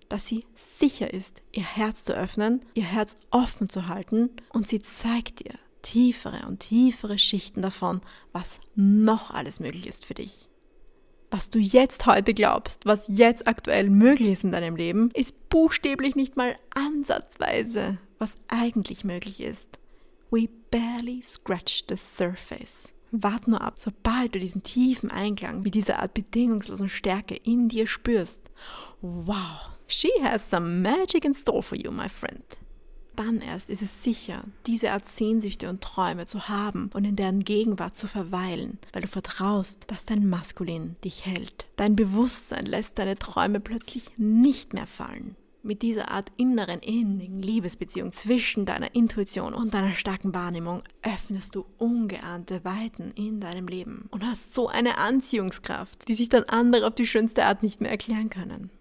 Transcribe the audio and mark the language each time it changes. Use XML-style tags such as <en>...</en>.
<de>Dass sie sicher ist, ihr Herz zu öffnen, ihr Herz offen zu halten und sie zeigt dir tiefere und tiefere Schichten davon, was noch alles möglich ist für dich. Was du jetzt heute glaubst, was jetzt aktuell möglich ist in deinem Leben, ist buchstäblich nicht mal ansatzweise, was eigentlich möglich ist.</de> <en>We barely scratch the surface.</en> <de>Wart nur ab, sobald du diesen tiefen Einklang mit dieser Art bedingungslosen Stärke in dir spürst.</de> <en>Wow, she has some magic in store for you, my friend.</en> <de>Dann erst ist es sicher, diese Art Sehnsüchte und Träume zu haben und in deren Gegenwart zu verweilen, weil du vertraust, dass dein Maskulin dich hält. Dein Bewusstsein lässt deine Träume plötzlich nicht mehr fallen. Mit dieser Art inneren, innigen Liebesbeziehung zwischen deiner Intuition und deiner starken Wahrnehmung öffnest du ungeahnte Weiten in deinem Leben und hast so eine Anziehungskraft, die sich dann andere auf die schönste Art nicht mehr erklären können.</de>